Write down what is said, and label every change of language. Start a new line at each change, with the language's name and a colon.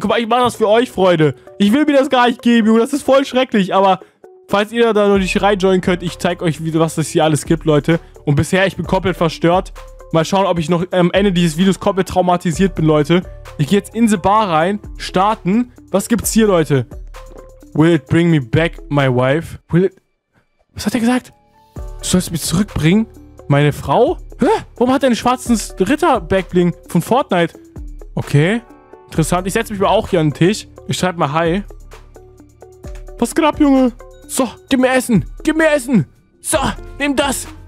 German: Guck mal, ich mach das für euch, Freunde. Ich will mir das gar nicht geben, Junge. Das ist voll schrecklich, aber... Falls ihr da noch nicht reinjoinen könnt, ich zeige euch, was es hier alles gibt, Leute. Und bisher, ich bin komplett verstört. Mal schauen, ob ich noch am Ende dieses Videos komplett traumatisiert bin, Leute. Ich gehe jetzt in
English: the Bar
German: rein, starten. Was gibt's hier, Leute?
English: Will it bring me back my wife? Will it...
German: Was hat er gesagt? Sollst du mich zurückbringen? Meine Frau? Hä? Warum hat er einen schwarzen Ritter-Backbling von Fortnite? Okay, interessant. Ich setze mich mal auch hier an den Tisch. Ich schreibe mal Hi. Was geht ab, Junge? So, gib mir Essen. So, nimm das.